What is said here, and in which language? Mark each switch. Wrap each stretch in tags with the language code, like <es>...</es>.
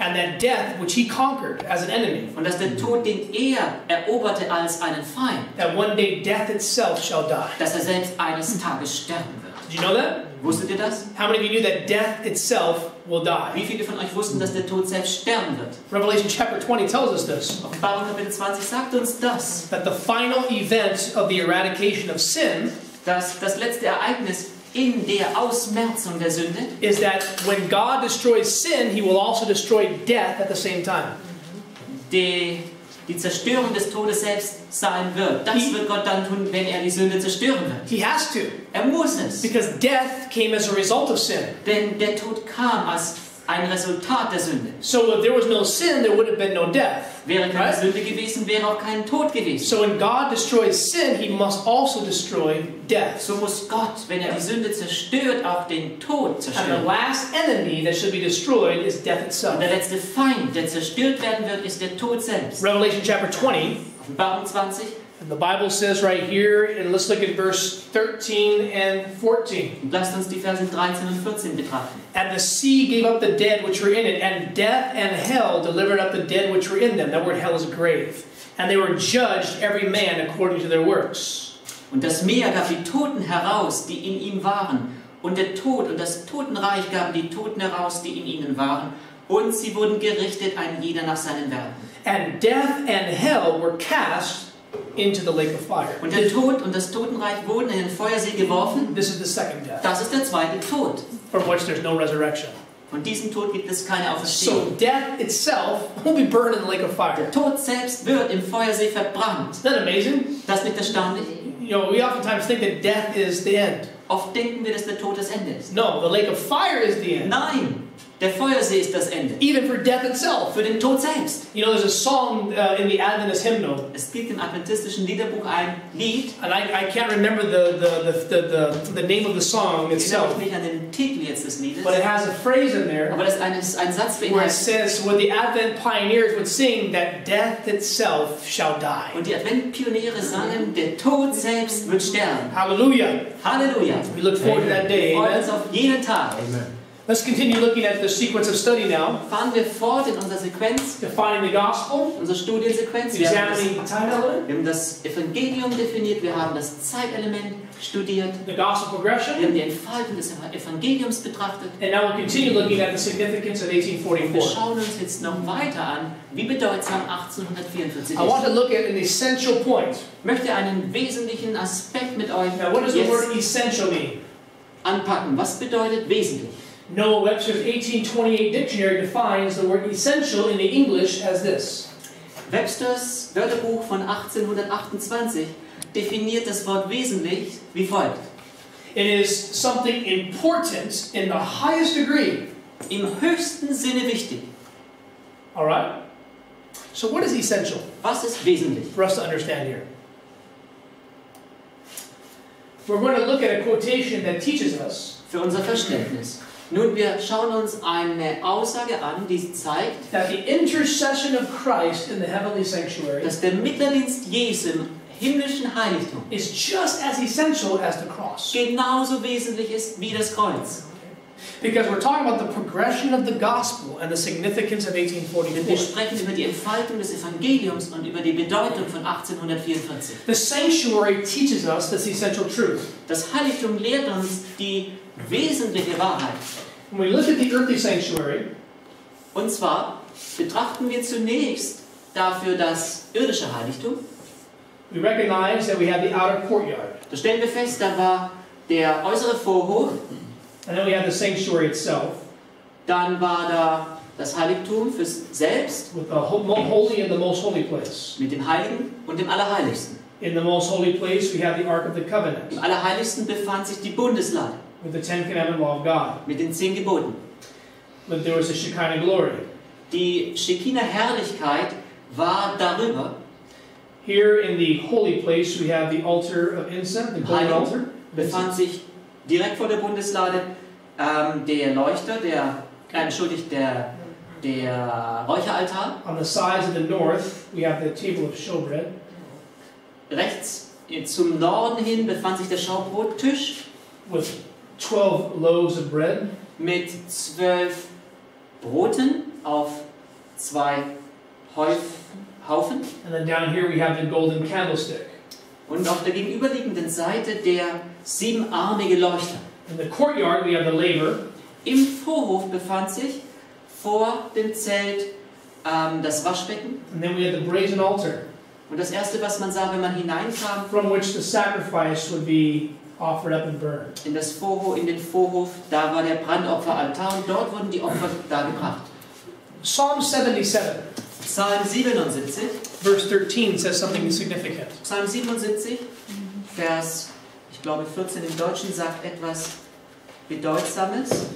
<en>and that death, which he conquered as an enemy,</en> <de>und dass der Tod, den er eroberte als einen Feind,</de> <en>that one day death itself shall die,</en> <de>dass er selbst eines Tages sterben wird.</de> <en>Did you know that?</en> <de>Wusstet ihr das?</de> <en>How many of you knew that death itself will die?</en> <de>Wie viele von euch wussten, dass der Tod selbst sterben wird?</de> <en>Revelation chapter 20 tells us this.</en> <de>Offenbarung Kapitel 20 sagt uns das.</de> <en>That the final event of the eradication of sin,</en> <de>dass das letzte Ereignis in der Ausmerzung der Sünde,</de> <en>is that when God destroys sin, he will also destroy death at the same time.</en> <de>Die Zerstörung des Todes selbst sein wird. Das wird Gott dann tun, wenn er die Sünde zerstören wird.</de> <en>He has to.</en> <de>Er muss es.</de> <en>Because death came as a result of sin.</en> <de>Denn der Tod kam als ein Resultat der Sünde.</de> <en>So if there was no sin, there would have been no death.</en> <de>Wäre keine</de> <en>right?</en> <de>Sünde gewesen, wäre auch kein Tod gewesen.</de> <en>So when God destroys sin, he must also destroy death.</en> <de>So muss Gott, wenn er die Sünde zerstört, auch den Tod zerstören.</de> <en>And the last enemy that should be destroyed is death itself.</en> <de>Und der letzte Feind, der zerstört werden wird, ist der Tod selbst.</de> <en>Revelation chapter 20.</en> <de>Offenbarung 20.</de> <en>And the Bible says right here, and let's look at verse 13 and 14.</en> <de>Lasst uns die Verse 13 und 14 betrachten.</de> <en>And the sea gave up the dead which were in it, and death and hell delivered up the dead which were in them. That word hell is a grave. And they were judged every man according to their works.</en> <de>Und das Meer gab die Toten heraus, die in ihm waren. Und der Tod und das Totenreich gaben die Toten heraus, die in ihnen waren. Und sie wurden gerichtet, ein jeder nach seinen Werken.</de> <en>And death and hell were cast into the lake of fire.</en> <de>Und der Tod und das Totenreich wurden in den Feuersee geworfen.</de> <en>This is the second death.</en> <de>Das ist der zweite Tod.</de> <en>From which there's no resurrection.</en> <de>Von diesem Tod gibt es keine Auferstehung.</de> <en>So death itself will be burned in the lake of fire.</en> <de>Der Tod selbst wird im Feuersee verbrannt.</de> <en>Isn't that amazing?</en> <de>Das nicht erstaunlich?</de> <en>You know, we oftentimes think that death is the end.</en> <de>Oft denken wir, dass der Tod das Ende ist.</de> <en>No, the lake of fire is the end.</en> <de>Nein. Der Feuersee ist das Ende.</de> <en>Even for death itself.</en> <de>Für den Tod selbst.</de> <en>You know, there's a song in the Adventist hymnal.</en> <de>Es gibt im adventistischen Liederbuch ein Lied.</de> <en>And I can't remember the name of the song itself.</en> <de>Ich erinnere mich an den Titel jetzt des Liedes.</de> <en>But it has a phrase in there.</en> <de>Aber das ist ein Satz für ihn.</de> <en>Where it says, when the Advent pioneers would sing that death itself shall die.</en> <de>Und die Adventpioniere sangen, der Tod selbst wird sterben. Hallelujah. Hallelujah.</de> <en>We look forward Amen. To that day.</en> <de>Wir freuen uns auf jeden Tag. Amen.</de> <en>Let's continue looking at the sequence of study now.</en> <de>Fahren wir fort in unserer Sequenz.</de> <en>Defining the gospel.</en> <de>Unsere Studiensequenz.</de> <en>Examining the time element.</en> <de>Wir haben das Evangelium definiert. Wir haben das Zeitelement studiert.</de> <en>The gospel progression.</en> <de>Wir haben die Entfaltung des Evangeliums betrachtet.</de> <en>And now we'll continue looking at the significance of 1844.</en> <de>Wir schauen uns jetzt noch weiter an, wie bedeutsam 1844 ist.</de> <en>I want to look at an essential point.</en> <de>Möchte einen wesentlichen Aspekt mit euch.</de> <en>Now, what does the word essential mean?</en> <de>Anpacken. Was bedeutet wesentlich?</de> <en>Noah Webster's 1828 dictionary defines the word essential in the English as this.</en> <de>Webster's Wörterbuch von 1828 definiert das Wort wesentlich wie folgt.</de> <en>It is something important in the highest degree.</en> <de>Im höchsten Sinne wichtig.</de> <en>All right. So what is essential?</en> <de>Was ist wesentlich?</de> <en>For us to understand here. We're going to look at a quotation that teaches us.</en> <de>Für unser Verständnis. Nun, wir schauen uns eine Aussage an, die zeigt,</de> <en>that the intercession of Christ in the heavenly sanctuary,</en> <de>dass der Mittlerdienst Jesu im himmlischen Heiligtum,</de> <en>is just as essential as the cross.</en> <de>Genauso wesentlich ist wie das Kreuz.</de> <en>Because we're talking about the progression of the gospel and the significance of 1844.</en> <de>Wir sprechen über die Entfaltung des Evangeliums und über die Bedeutung von 1844.</de> <en>The sanctuary teaches us this essential truth.</en> <de>Das Heiligtum lehrt uns die wesentliche Wahrheit.</de> <en>When we look at the earthly sanctuary,</en> <de>und zwar betrachten wir zunächst dafür das irdische Heiligtum.</de> <en>We recognize that we have the outer courtyard.</en> <de>Da stellen wir fest, da war der äußere Vorhof.</de> <en>And then we have the sanctuary itself.</en> <de>Dann war da das Heiligtum fürs Selbst.</de> <en>With the holy and the most holy place.</en> <de>Mit dem Heiligen und dem Allerheiligsten.</de> <en>In the most holy place we have the Ark of the Covenant.</en> <de>Im Allerheiligsten befand sich die Bundeslade.</de> <en>With the Ten Commandments law of God.</en> <de>Mit den Zehn Geboten.</de> <en>But there was a Shekinah glory.</en> <de>Die Shekinah Herrlichkeit war darüber.</de> <en>Here in the holy place we have the altar of incense, the golden altar.</en> <de>Befand sich direkt vor der Bundeslade der Leuchter, der Räucheraltar.</de> <en>On the sides of the north we have the table of showbread.</en> <de>Rechts zum Norden hin befand sich der Schaubrottisch.</de> <en>With 12 loaves of bread.</en> <de>Mit 12 Broten auf 2 Haufen.</de> <en>And then down here we have the golden candlestick.</en> <de>Und auf der gegenüberliegenden Seite der siebenarmige Leuchter.</de> <en>In the courtyard we have the laver.</en> <de>Im Vorhof befand sich vor dem Zelt das Waschbecken.</de> <en>And then we have the brazen altar.</en> <de>Und das erste, was man sah, wenn man hineinkam,</de> <en>from which the sacrifice would be offered up and burned.</en> <de>In das Vorhof, in den Vorhof, da war der Brandopferaltar und dort wurden die Opfer dargebracht.</de> <en>Psalm 77.</en> <de>Psalm 77.</de> <en>Verse 13 says something significant.</en> <de>Psalm 77, Vers, ich glaube 14 im Deutschen, sagt etwas Bedeutsames.</de>